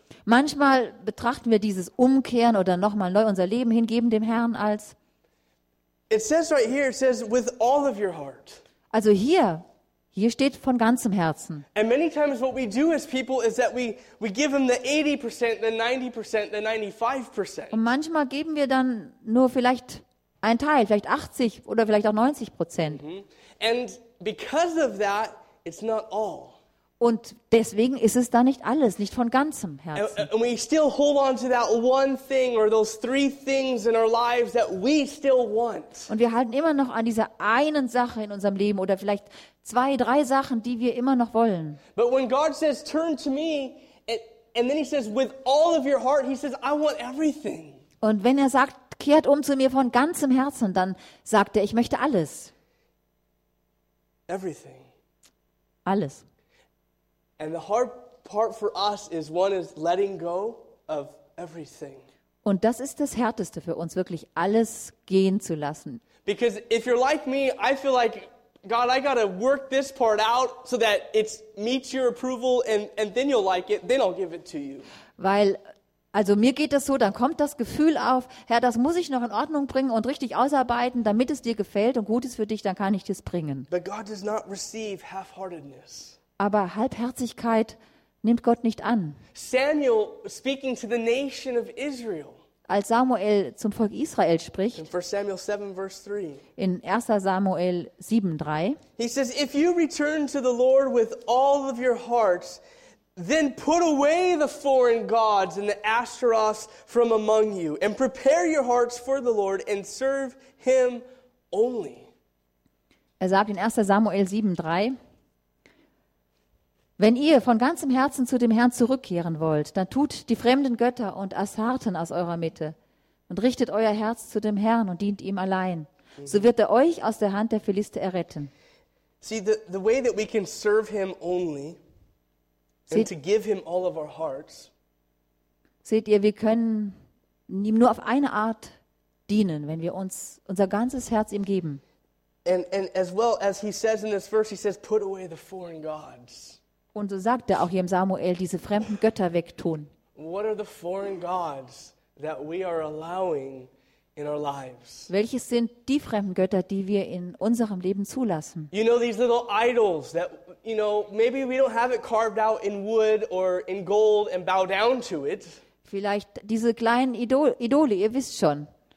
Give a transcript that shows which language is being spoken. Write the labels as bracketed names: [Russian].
[German] Manchmal betrachten wir dieses Umkehren oder nochmal neu unser Leben hingeben dem Herrn als. [English] It says right here, it says with all of your heart. [German] Also hier steht von ganzem Herzen. [English] And many times what we do as people is that we give him the 80%, the 90%, the 95%. [German] Und manchmal geben wir dann nur vielleicht ein Teil, vielleicht 80 oder vielleicht auch 90%. [English] And because of that, it's not all. [German] Und deswegen ist es da nicht alles, nicht von ganzem Herzen. [English] And we still hold on to that one thing or those three things in our lives that we still want. [German] Und wir halten immer noch an dieser einen Sache in unserem Leben oder vielleicht zwei, drei Sachen, die wir immer noch wollen. [English] But when God says turn to me and then he says with all of your heart, he says I want everything. [German] Und wenn er sagt, kehrt um zu mir von ganzem Herzen, dann sagt er, ich möchte alles. [English] Everything. [German] Alles. [English] And the hard part for us is one is letting go of everything. [German] Und das ist das Härteste für uns, wirklich alles gehen zu lassen. [English] Because if you're like me, I feel like, God, I gotta work this part out so that it meets your approval and then you'll like it, then I'll give it to you. [German] Weil, also mir geht das so, dann kommt das Gefühl auf, Herr, das muss ich noch in Ordnung bringen und richtig ausarbeiten, damit es dir gefällt und gut ist für dich, dann kann ich dir es bringen. [English] But God does not receive half-heartedness. [German] Aber Halbherzigkeit nimmt Gott nicht an. [English] Samuel speaking to the nation of Israel. [German] als Samuel zum Volk Israel spricht, [English] in 1 Samuel 7, Vers 3, [German] in 1. Samuel 7, 3, [English] he says, if you return to the Lord with all of your hearts, then put away the foreign gods and the Ashtaroths from among you and prepare your hearts for the Lord and serve him only. [German] Er sagt in 1. Samuel 7, 3, wenn ihr von ganzem Herzen zu dem Herrn zurückkehren wollt, dann tut die fremden Götter und Asarten aus eurer Mitte und richtet euer Herz zu dem Herrn und dient ihm allein. So wird er euch aus der Hand der Philister erretten. [English] See, the way that we can serve him only and to give him all of our hearts. [German] Seht ihr, wir können ihm nur auf eine Art dienen, wenn wir uns unser ganzes Herz ihm geben. [English] And as well as he says in this verse, he says, put away the foreign gods. [German] Und so sagt er auch hier im Samuel, diese fremden Götter wegtun. [English] What are the foreign gods that we are allowing in our lives? [German] Welches sind die fremden Götter, die wir in unserem Leben zulassen? [English] You know, these little idols that, you know, maybe we don't have it carved out in wood or in gold and bow down to it. [German] Vielleicht diese kleinen Idole, ihr wisst schon.